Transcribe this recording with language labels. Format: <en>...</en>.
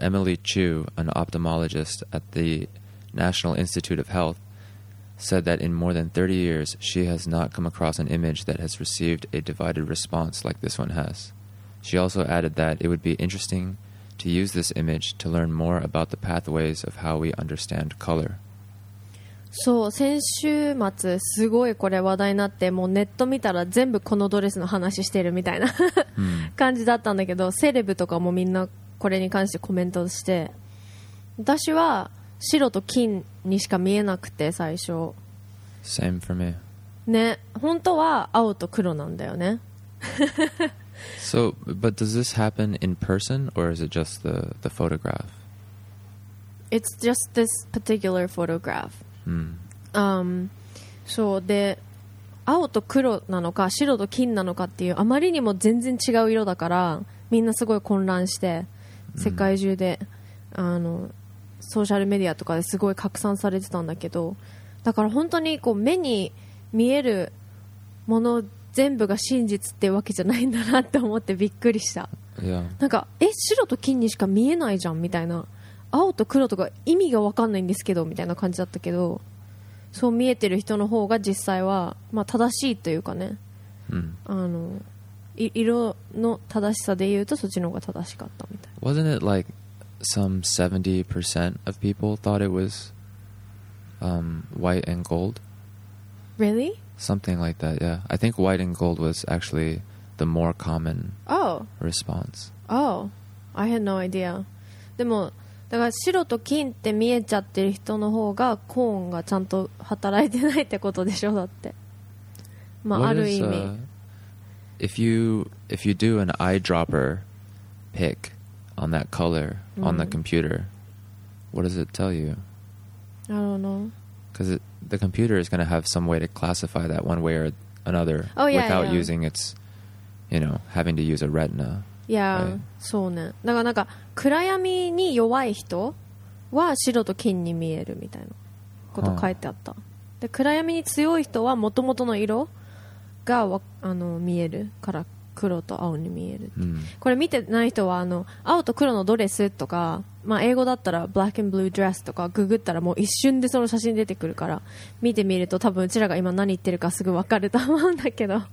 <en>Emily Chu, an ophthalmologist at the National Institute of Health, said that in more than 30 years, she has not come across an image that has received a divided response like this one has. She also added that it would be interesting to use this image to learn more about the pathways of how we understand color.</en> <ja>そう、先週末すごいこれ話題になって、もうネット見たら全部このドレスの話してるみたいな感じだったんだけど、セレブとかもみんなこれに関してコメントして、私は白と金にしか見えなくて、最初</ja> <en>Same for me</en> <ja>ね、本当は青と黒なんだよね</ja> <en>So, but does this happen in person or is it just the photograph? It's just this particular photograph</en> <ja>そうで、青と黒なのか白と金なのかっていう、あまりにも全然違う色だから、みんなすごい混乱して世界中で、mm. ソーシャルメディアとかですごい拡散されてたんだけど、だから本当にこう目に見えるもの全部が真実ってわけじゃないんだなって思ってびっくりした、</ja> <en>yeah.</en> <ja>なんか白と金にしか見えないじゃんみたいな、青と黒とか意味が分かんないんですけどみたいな感じだったけど、そう見えてる人の方が実際は、まあ、正しいというかね、うん、色の正しさで言うとそっちの方が正しかったみたいな。</ja> <en>Wasn't it like some 70% of people thought it was white and gold? Really? Something like that, yeah. I think white and gold was actually the more common response. Oh, I had no idea.</en> <ja>でもだから白と金って見えちゃってる人の方がコーンがちゃんと働いてないってことでしょ、だって、まあ、ある意味</ja> <en>if you do an eyedropper pick on that color on the computer、mm. what does it tell you? I don't know. Because the computer is going to have some way to classify that one way or another、 oh, without yeah, yeah. using its you know having to use a retina.</en> <ja>いや、right. そうね、だからなんか暗闇に弱い人は白と金に見えるみたいなこと書いてあった、huh. で暗闇に強い人はもともとの色が見えるから黒と青に見える、 mm. これ見てない人は青と黒のドレスとか、まあ、英語だったら</ja> <en>black and blue dress</en> <ja>とかググったらもう一瞬でその写真出てくるから、見てみると多分うちらが今何言ってるかすぐ分かると思うんだけど。</ja>